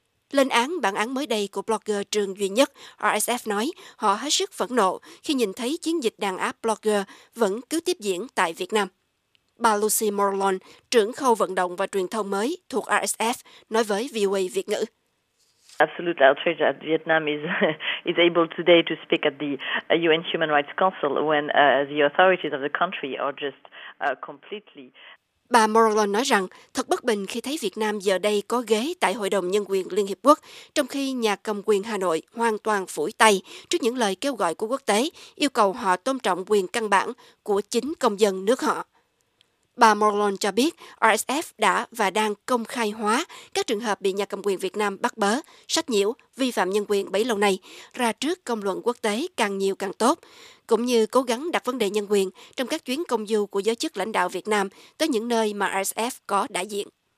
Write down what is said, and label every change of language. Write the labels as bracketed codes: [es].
[vi] Lên án bản án mới đây của blogger Trương Duy Nhất, RSF nói họ hết sức phẫn nộ khi nhìn thấy chiến dịch đàn áp blogger vẫn cứ tiếp diễn tại Việt Nam. Bà Lucy Morlon, trưởng khâu vận động và truyền thông mới thuộc RSF, nói với VOA Việt ngữ. [en] Absolute outrage that Vietnam is able today to speak at the UN Human Rights Council when the authorities of the country are just completely. [vi] Bà Morlon nói rằng thật bất bình khi thấy Việt Nam giờ đây có ghế tại Hội đồng Nhân quyền Liên Hiệp Quốc, trong khi nhà cầm quyền Hà Nội hoàn toàn phủi tay trước những lời kêu gọi của quốc tế yêu cầu họ tôn trọng quyền căn bản của chính công dân nước họ. Bà Morlon cho biết RSF đã và đang công khai hóa các trường hợp bị nhà cầm quyền Việt Nam bắt bớ, sách nhiễu, vi phạm nhân quyền bấy lâu nay ra trước công luận quốc tế càng nhiều càng tốt, cũng như cố gắng đặt vấn đề nhân quyền trong các chuyến công du của giới chức lãnh đạo Việt Nam tới những nơi mà RSF có đại diện.